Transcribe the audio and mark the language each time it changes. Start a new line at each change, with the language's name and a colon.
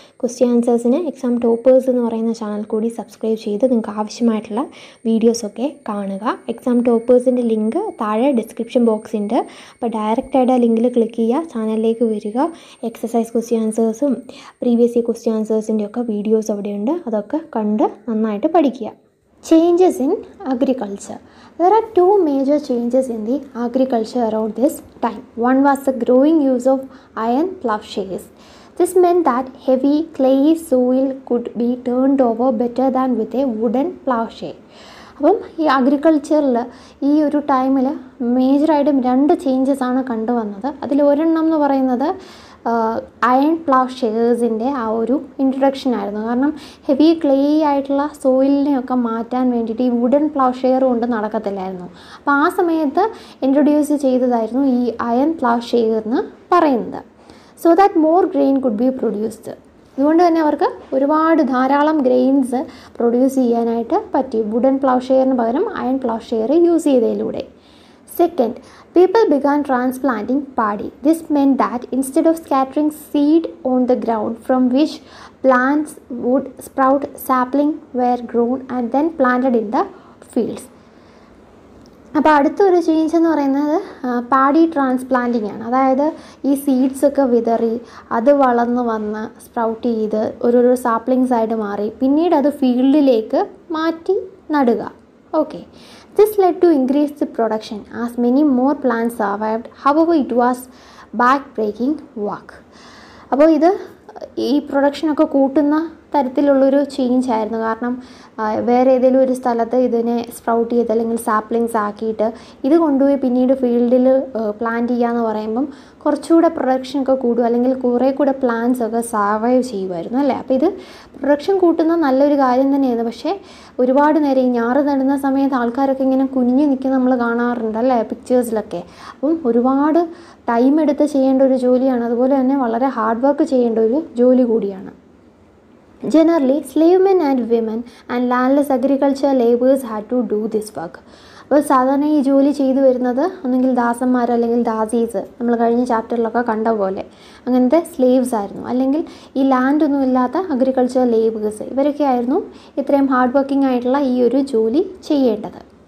Malayalam: Question ആൻസേഴ്സിന് exam toppers എന്ന് പറയുന്ന channel കൂടി സബ്സ്ക്രൈബ് ചെയ്ത് നിങ്ങൾക്ക് ആവശ്യമായിട്ടുള്ള വീഡിയോസൊക്കെ കാണുക. എക്സാം ടോപ്പേഴ്സിൻ്റെ ലിങ്ക് താഴെ ഡിസ്ക്രിപ്ഷൻ ബോക്സ് ഉണ്ട്. അപ്പോൾ ഡയറക്റ്റായിട്ട് ആ ലിങ്കിൽ ക്ലിക്ക് ചെയ്യുക, ചാനലിലേക്ക് വരിക. Exercise question ആൻസേഴ്സും previous year question ആൻസേഴ്സിൻ്റെ ഒക്കെ വീഡിയോസ് അവിടെയുണ്ട്. അതൊക്കെ കണ്ട് നന്നായിട്ട് പഠിക്കുക.
English: Changes in agriculture. There are two major changes in the agriculture around this time. One was the growing use of iron ploughshares. This meant that heavy clay soil could be turned over better than with a wooden ploughshare.
Malayalam: അപ്പം ഈ അഗ്രികൾച്ചറിൽ ഈ ഒരു ടൈമിൽ മേജറായിട്ടും രണ്ട് ചേഞ്ചസാണ് കണ്ടുവന്നത്. അതിൽ ഒരെണ്ണം എന്ന് പറയുന്നത് അയൺ പ്ലാഷേഴ്സിൻ്റെ ആ ഒരു ഇൻട്രൊഡക്ഷൻ ആയിരുന്നു. കാരണം ഹെവി ക്ലേ ആയിട്ടുള്ള സോയിലിനെയൊക്കെ മാറ്റാൻ വേണ്ടിയിട്ട് ഈ വുഡൻ പ്ലാഷെയർ കൊണ്ട് നടക്കത്തില്ലായിരുന്നു. അപ്പോൾ ആ സമയത്ത് ഇൻട്രൊഡ്യൂസ് ചെയ്തതായിരുന്നു ഈ അയൺ പ്ലാഷെയർ എന്ന് പറയുന്നത്.
English: So that more grain could be produced.
Malayalam: അതുകൊണ്ട് തന്നെ അവർക്ക് ഒരുപാട് ധാരാളം ഗ്രെയിൻസ് പ്രൊഡ്യൂസ് ചെയ്യാനായിട്ട് പറ്റി. വുഡൻ പ്ലാഷെയറിന് പകരം iron പ്ലാഷെയർ use ചെയ്തതിലൂടെ.
English: Second, people began transplanting paddy. This meant that instead of scattering seed on the ground from which plants would sprout, saplings were grown and then planted in the fields.
Malayalam: അപ്പോൾ അടുത്തൊരു change എന്ന് പറയുന്നത് paddy transplanting ആണ്. അതായത് ഈ സീഡ്സൊക്കെ വിതറി അത് വളർന്ന് വന്ന് സ്പ്രൗട്ട് ചെയ്ത് ഓരോരോ സാപ്ലിങ്സ് ആയിട്ട് മാറി പിന്നീട് അത് ഫീൽഡിലേക്ക് മാറ്റി നടുക.
English: Okay, this led to increase the production as many more plants survived. However, it was back-breaking work.
Malayalam: അപ്പോൾ ഇത് ഈ പ്രൊഡക്ഷനൊക്കെ കൂട്ടുന്ന തരത്തിലുള്ളൊരു ചേഞ്ച് ആയിരുന്നു. കാരണം വേറെ ഏതെങ്കിലും ഒരു സ്ഥലത്ത് ഇതിനെ സ്പ്രൗട്ട് ചെയ്ത് അല്ലെങ്കിൽ സാപ്ലിങ്സ് ആക്കിയിട്ട് ഇത് കൊണ്ടുപോയി പിന്നീട് ഫീൽഡിൽ പ്ലാന്റ് ചെയ്യാന്ന് പറയുമ്പം കുറച്ചുകൂടെ പ്രൊഡക്ഷനൊക്കെ കൂടും, അല്ലെങ്കിൽ കുറേ കൂടെ പ്ലാന്റ്സ് ഒക്കെ സർവൈവ് ചെയ്യുമായിരുന്നു അല്ലേ. അപ്പോൾ ഇത് പ്രൊഡക്ഷൻ കൂട്ടുന്ന നല്ലൊരു കാര്യം തന്നെയായിരുന്നു. പക്ഷേ ഒരുപാട് നേരം ഈ ഞാറ് നടുന്ന സമയത്ത് ആൾക്കാരൊക്കെ ഇങ്ങനെ കുനിഞ്ഞു നിൽക്കുന്ന നമ്മൾ കാണാറുണ്ട് അല്ലേ പിക്ചേഴ്സിലൊക്കെ. അപ്പം ഒരുപാട് ടൈം എടുത്ത് ചെയ്യേണ്ട ഒരു ജോലിയാണ്, അതുപോലെ തന്നെ വളരെ ഹാർഡ് വർക്ക് ചെയ്യേണ്ട ഒരു ജോലി കൂടിയാണ്.
English: Generally, slave men and women and landless agricultural laborers had to do this work.
Malayalam: അപ്പോൾ സാധാരണ ഈ ജോലി ചെയ്തു വരുന്നത് ഒന്നുകിൽ ദാസന്മാർ അല്ലെങ്കിൽ ദാസീസ്, നമ്മൾ കഴിഞ്ഞ ചാപ്റ്ററിലൊക്കെ കണ്ട പോലെ അങ്ങനത്തെ സ്ലേവ്സ് ആയിരുന്നു, അല്ലെങ്കിൽ ഈ ലാൻഡൊന്നുമില്ലാത്ത അഗ്രികൾച്ചറൽ ലേബേഴ്സ്. ഇവരൊക്കെ ആയിരുന്നു ഇത്രയും ഹാർഡ് വർക്കിംഗ് ആയിട്ടുള്ള ഈ ഒരു ജോലി ചെയ്യേണ്ടത്.